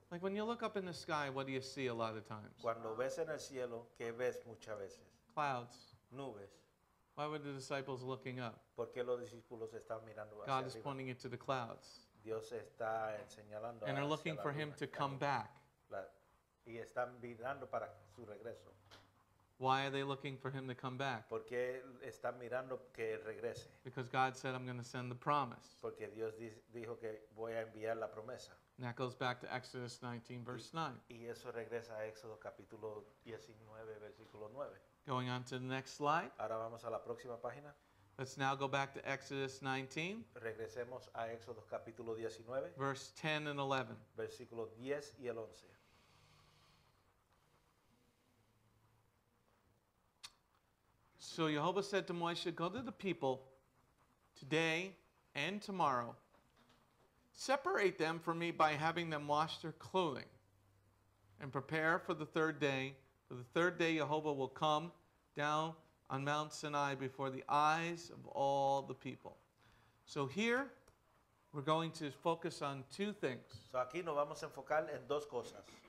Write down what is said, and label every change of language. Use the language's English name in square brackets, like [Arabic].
[English] Like when you look up in the sky, what do you see a lot of times? [Spanish] Cuando ves en el cielo, ¿qué ves muchas veces? [English] Clouds. [Spanish] Nubes. [English] Why were the disciples looking up? [Spanish] ¿Por qué los discípulos están mirando hacia [English] God [Spanish] arriba? [English] Is pointing it to the clouds. [Spanish] Dios está señalando, [English] and they're looking for him to come back. [Spanish] Y están mirando para su regreso. [English] Why are they looking for him to come back? [Spanish] Porque están mirando que regrese. [English] Because God said, I'm going to send the promise. [Spanish] Porque Dios dijo que voy a enviar la promesa. [English] And that goes back to Exodus 19, verse 9. [Spanish] Y eso regresa a Éxodo capítulo 19, versículo 9. [English] Going on to the next slide. [Spanish] Ahora vamos a la próxima página. [English] Let's now go back to Exodus 19. [Spanish] Regresemos a Éxodo capítulo 19. [English] Verse 10 and 11. [Spanish] Versículo 10 y el 11. [English] So Jehovah said to Moshe, "Go to the people today and tomorrow. Separate them from me by having them wash their clothing and prepare for the third day. For the third day Jehovah will come down on Mount Sinai before the eyes of all the people." So here we're going to focus on two things. [Spanish] So aquí nos vamos a enfocar en dos cosas.